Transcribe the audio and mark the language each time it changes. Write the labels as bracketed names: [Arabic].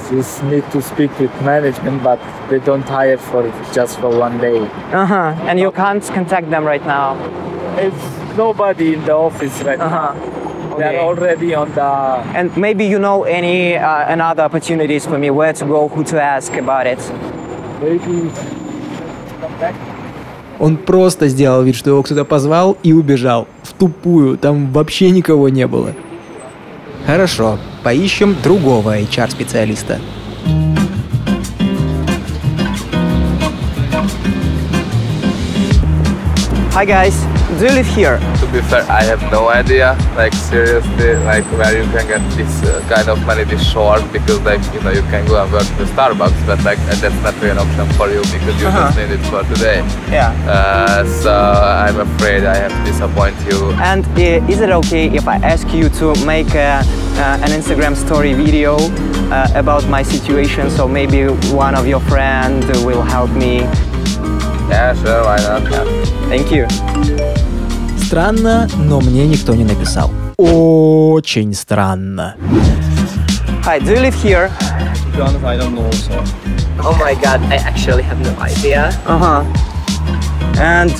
[English] You need to speak with management, but they don't hire for just for one day. Uh-huh. And you can't contact them right now? It's nobody in the office right uh-huh. now. They're okay. already on the... And maybe you know any another opportunities for me, where to go, who to ask about it? Maybe come back. [Russian] Он просто сделал вид, что его кто-то позвал и убежал. В тупую, там вообще никого не было. Хорошо, поищем другого HR-специалиста. [English] Hi guys, do you live here? To be fair, I have no idea, like seriously, like where you can get this kind of money this short, because like, you know, you can go and work in Starbucks, but like that's not really an option for you, because you uh-huh. just need it for today. Yeah. So I'm afraid I have to disappoint you. And is it okay if I ask you to make an Instagram story video about my situation, so maybe one of your friends will help me? Yeah, sure, why not? Yeah. Thank you. [Russian] Странно, но мне никто не написал. Очень странно. [English] Hi, do you live here? To be honest, I don't know, so. Oh my god, I actually have no idea. Uh-huh. And